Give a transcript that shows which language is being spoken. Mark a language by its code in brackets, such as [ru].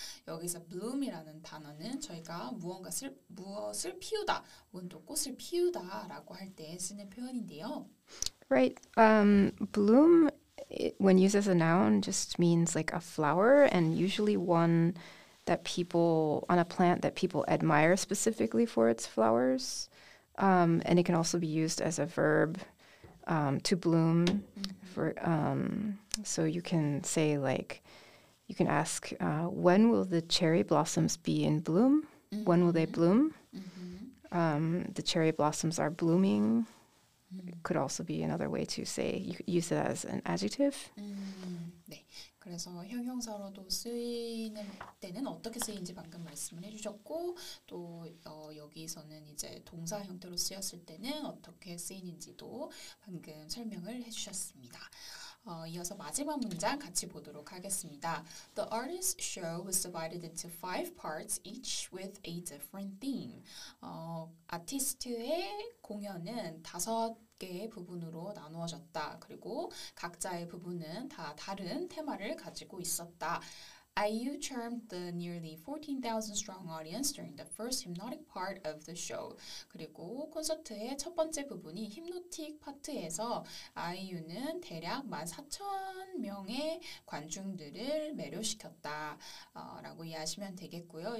[ko] 여기서 bloom이라는 단어는 저희가 무엇을 피우다 혹은 또 꽃을 피우다라고 할 때 쓰는 표현인데요. [en] Right. Bloom when used as a noun, just means like a flower, and usually one that people, on a plant that people admire specifically for its flowers. And it can also be used as a verb to bloom. Mm-hmm. For so you can say like, you can ask, when will the cherry blossoms be in bloom? Mm-hmm. When will they bloom? Mm-hmm. The cherry blossoms are blooming. Mm-hmm. Could also be another way to say, you could use it as an adjective. Mm-hmm. 네. [ko] 그래서 형용사로도 쓰이는 때는 어떻게 쓰이는지 방금 말씀을 해주셨고 또 여기서는 이제 동사 형태로 쓰였을 때는 어떻게 쓰이는지도 방금 설명을 해주셨습니다. 이어서 마지막 문장 같이 보도록 하겠습니다. [en] The artist's show was divided into five parts, each with a different theme. [ko] 아티스트의 공연은 다섯 개의 부분으로 나누어졌다. 그리고 각자의 부분은 다 다른 테마를 가지고 있었다. [en] IU charmed the nearly 14,000 strong audience during the first hypnotic part of the show. [ko] 그리고 콘서트의 첫 번째 부분이 힙노틱 파트에서 IU는 대략 14,000명의 관중들을 매료시켰다. 라고 이해하시면 되겠고요.